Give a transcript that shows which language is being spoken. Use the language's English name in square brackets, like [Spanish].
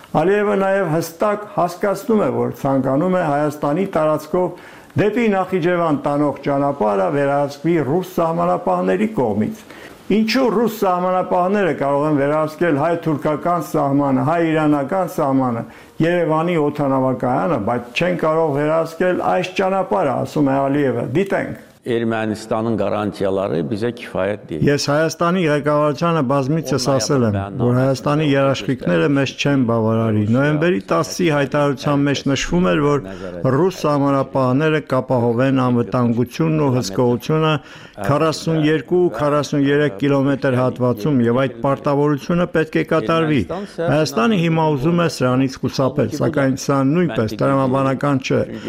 [Armenian] Ալիևը նաև հստակ հասկանում է, որ ցանկանում է Հայաստանի տարածքով դեպի Նախիջևան տանող ճանապարհը վերահսկվի ռուս սահմանապահների կողմից։ Ինչու ռուս սահմանապահները կարող են վերահսկել հայ-թուրքական սահմանը, հայ-իրանական սահմանը, Երևանի օդանավակայանը, բայց չեն կարող վերահսկել այս ճանապարհը, ասում է Ալիևը։ Դիտենք. [Azerbaijani] Ermənistanın qarantiyaları bizə kifayət deyil. [Armenian] Ես Հայաստանի ղեկավարությանը բազմիցս ասել եմ, որ Հայաստանի երաշխիքները մեզ չեն բավարարի։ Նոյեմբերի 10-ի հայտարարության մեջ նշվում էր, որ ռուս սահմանապահները կապահովեն անվտանգությունն ու հսկողությունը 42-43 կիլոմետր հատվածում, և այդ պարտավորությունը պետք է կատարվի։ Հայաստանը հիմա ուզում է սրանից խուսափել, սակայն սա նույնպես տրամաբանական չէ։